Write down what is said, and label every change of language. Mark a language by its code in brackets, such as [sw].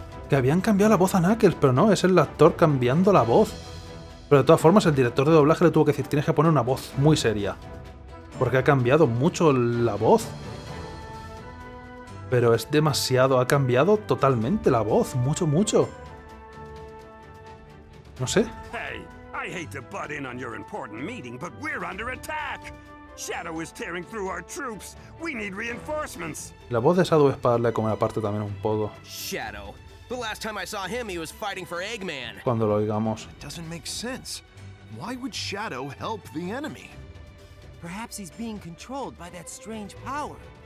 [es] Que habían cambiado la voz a Knuckles, pero no, es el actor cambiando la voz. Pero de todas formas, el director de doblaje le tuvo que decir, tienes que poner una voz muy seria. Porque ha cambiado mucho la voz. Pero es demasiado, ha cambiado totalmente la voz, mucho, mucho. No sé. [en] Hey, I hate to butt in on your important meeting, but we're under attack. Shadow is tearing through our troops. We need reinforcements. [es] La voz de Shadow es para darle a comer aparte también un poco. [en] Shadow. The last time I saw him, he was fighting for Eggman. [es] Cuando lo oigamos. [en] It doesn't make sense. Why would Shadow help the enemy? Perhaps he's being controlled by that strange power.